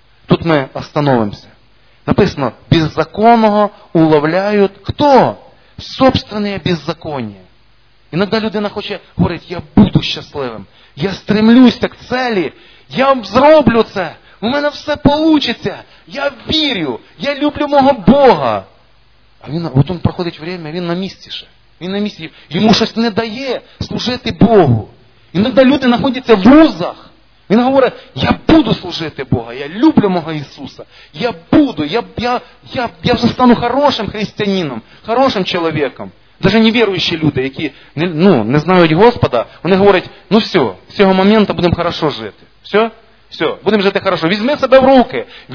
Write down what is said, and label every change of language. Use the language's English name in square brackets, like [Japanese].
[Russian] Тут мы остановимся. Написано, беззаконного уловляют кто? Собственное беззаконие. [Ukrainian] Иногда людина хоче говорить, [Russian] я буду счастливым, я стремлюсь к цели, [Ukrainian] я зроблю це, у мене все получится, я вірю, я люблю мого Бога. А він, от он проходить время, він на місці ще. Він на місці, йому щось не дає служити Богу. Иногда люди знаходяться в узах. Він говорить, я буду служити Бога, я люблю мого Ісуса, я буду, я вже стану хорошим християнином, хорошим чоловіком. Навіть невіруючі люди, які не знають Господа, вони говорять, ну все, з цього моменту будемо хорошо жити. Все, будемо жити хорошо. Візьми себе в руки.